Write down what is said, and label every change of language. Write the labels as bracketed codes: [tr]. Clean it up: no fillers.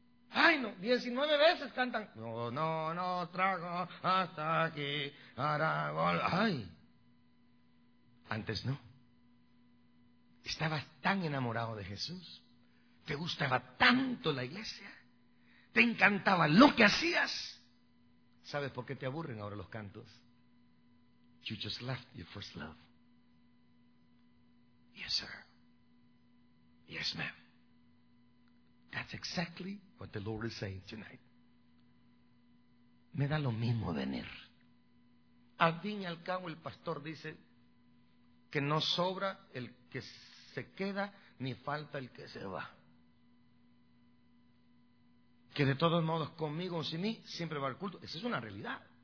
[es] Ay, no, 19 veces cantan. No, trago hasta aquí. Aragón. Ay. Antes no. Estabas tan enamorado de Jesús. Te gustaba tanto la iglesia. Te encantaba lo que hacías. ¿Sabes por qué te aburren ahora los cantos? [en] You just left your first love. Yes, sir. Yes, ma'am. That's exactly what the Lord is saying tonight. [es] Me da lo mismo venir. Al fin y al cabo, el pastor dice que no sobra el que se queda, ni falta el que se va. Que de todos modos, conmigo o sin mí, siempre va al culto. Esa es una realidad.